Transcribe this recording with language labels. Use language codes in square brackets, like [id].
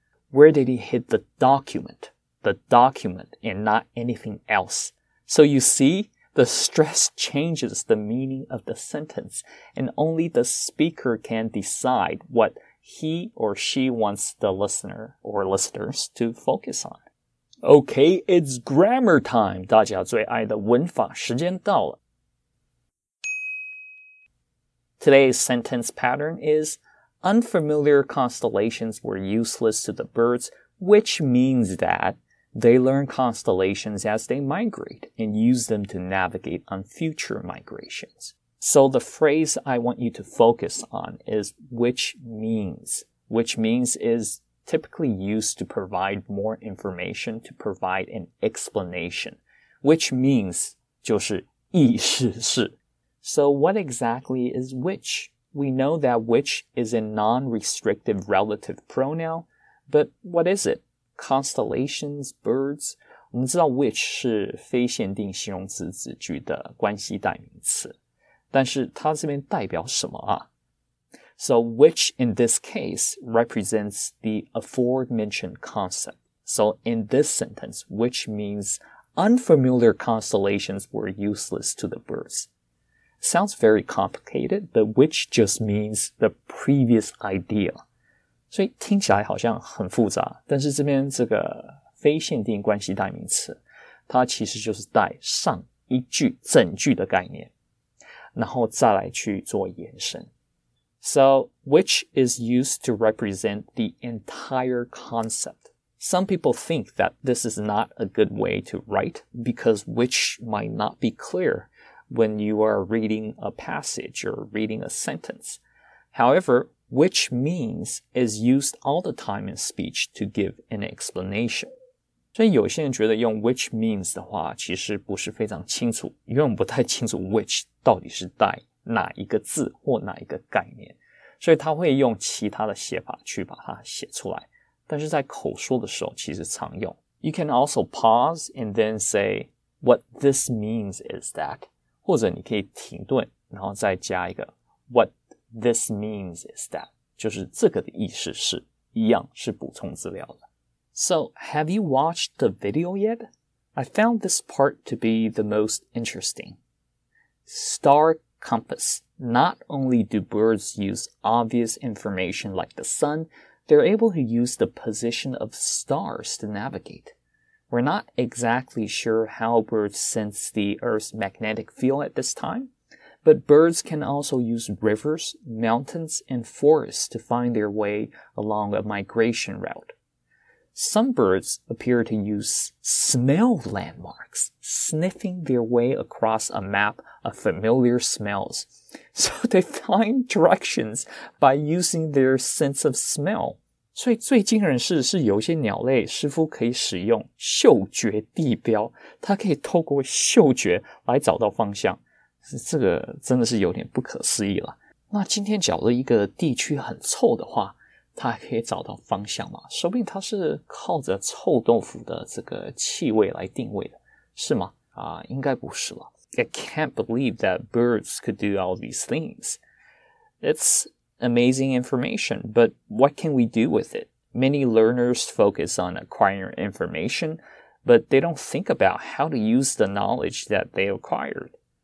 [en] where did he hit the document? The document and not anything else. So you see, the stress changes the meaning of the sentence, and only the speaker can decide what he or she wants the listener or listeners to focus on. Okay, it's grammar time. [zh] 大家最爱的文法时间到了。 [en] Today's sentence pattern is, unfamiliar constellations were useless to the birds, which means that they learn constellations as they migrate and use them to navigate on future migrations. So the phrase I want you to focus on is which means. Which means is typically used to provide more information, to provide an explanation. Which means [zh] 就是意思是。 [en] So what exactly is which? We know that which is a non-restrictive relative pronoun, but what is it? Constellations, birds? [zh] 我们知道 which 是非限定形容词子句的关系代名词。但是它这边代表什么啊? [en] So which in this case represents the aforementioned concept. So in this sentence, which means unfamiliar constellations were useless to the birds. Sounds very complicated, but which just means the previous idea. [zh] 所以听起来好像很复杂，但是这边这个非限定关系代名词，它其实就是带上一句整句的概念，然后再来去做延伸。 [en] So, which is used to represent the entire concept. Some people think that this is not a good way to write because which might not be clear. When you are reading a passage or reading a sentence. However, which means is used all the time in speech to give an explanation. [zh] 所以有些人觉得用 which means 的话其实不是非常清楚，永远不太清楚 which 到底是带哪一个字或哪一个概念。所以他会用其他的写法去把它写出来，但是在口说的时候其实常用。 [en] You can also pause and then say, what this means is that. [zh] 或者你可以停顿，然后再加一个 [en] what this means is that, [zh] 就是这个的意思是一样是补充资料的。 [en] So, have you watched the video yet? I found this part to be the most interesting. Star compass. Not only do birds use obvious information like the sun, they're able to use the position of stars to navigate. We're not exactly sure how birds sense the Earth's magnetic field at this time, but birds can also use rivers, mountains, and forests to find their way along a migration route. Some birds appear to use smell landmarks, sniffing their way across a map of familiar smells. So they find directions by using their sense of smell. [zh] 所以最惊人是有些鸟类似乎可以使用嗅觉地标，它可以透过嗅觉来找到方向，这个真的是有点不可思议了。那今天假如一个地区很臭的话，它还可以找到方向吗？说不定它是靠着臭豆腐的这个气味来定位的，是吗？啊，应该不是了。 [en] I can't believe that birds could do all these things. It'sAmazing information, but what can we do with it? Many learners focus on acquiring information, but they don't think about how to use the knowledge that they acquired.